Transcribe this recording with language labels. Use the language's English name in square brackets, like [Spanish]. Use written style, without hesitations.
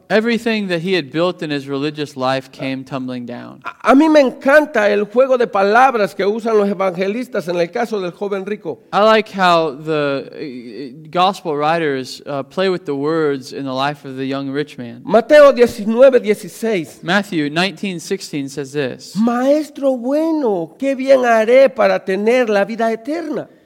[English] Everything that he had built in his religious life came tumbling down. [Spanish] A mí me encanta el juego de palabras que usan los evangelistas en el caso del joven rico. [English] I like how the gospel writers play with the words in the life of the young rich man. Matthew 19:16 says this. [Spanish] Maestro bueno, qué bien haré para tener la vida eterna.